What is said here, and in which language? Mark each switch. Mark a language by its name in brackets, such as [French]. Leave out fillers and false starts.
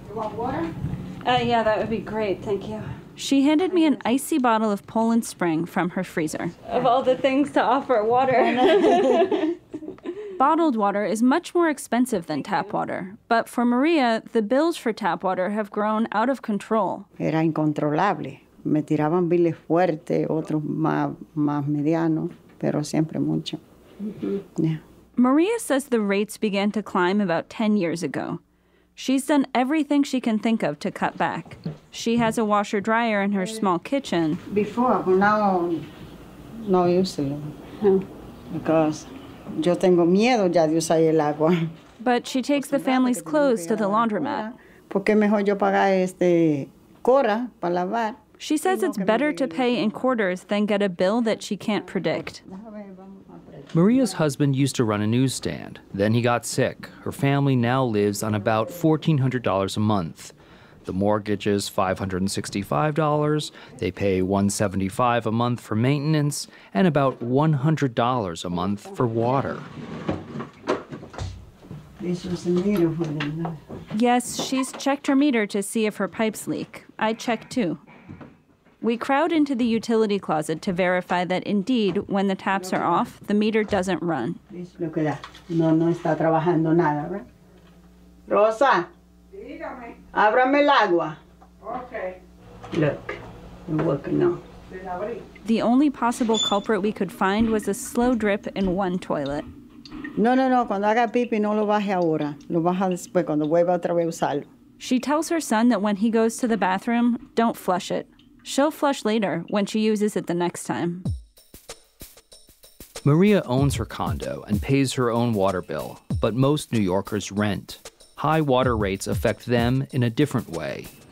[English] You want water? Yeah, that would be great. Thank you. She handed me an icy bottle of Poland Spring from her freezer. Of all the things to offer, water. Bottled water is much more expensive than tap water. But for Maria, the bills for tap water have grown out of control. [Spanish] Era incontrolable. Me tiraban billes fuertes, otros más medianos, pero siempre mucho. Mm-hmm. Yeah. [English] Maria says the rates began to climb about 10 years ago. She's done everything she can think of to cut back. She has a washer-dryer in her small kitchen. Before, but now, no use it. Yeah. [Spanish] Because yo tengo miedo ya de usar el agua. [English] But she takes the family's clothes to the laundromat. [Spanish] Porque mejor yo pagar este cora para lavar. [English] She says it's better to pay in quarters than get a bill that she can't predict. Maria's husband used to run a newsstand. Then he got sick. Her family now lives on about $1,400 a month. The mortgage is $565. They pay $175 a month for maintenance and about $100 a month for water. This was the meter for the night. Yes, she's checked her meter to see if her pipes leak. I checked too. We crowd into the utility closet to verify that indeed, when the taps are off, the meter doesn't run. Look at that. [Spanish] No está trabajando nada, [English] right? Rosa. [Spanish] Dígame. Ábrame el agua. Okay. [English] Look, you're working now. The only possible culprit we could find was a slow drip in one toilet. [Spanish] No. Cuando haga pipi, no lo baje ahora. Lo baja después, cuando vuelva otra vez usarlo. [English] She tells her son that when he goes to the bathroom, don't flush it. She'll flush later when she uses it the next time. Maria owns her condo and pays her own water bill, but most New Yorkers rent. High water rates affect them in a different way.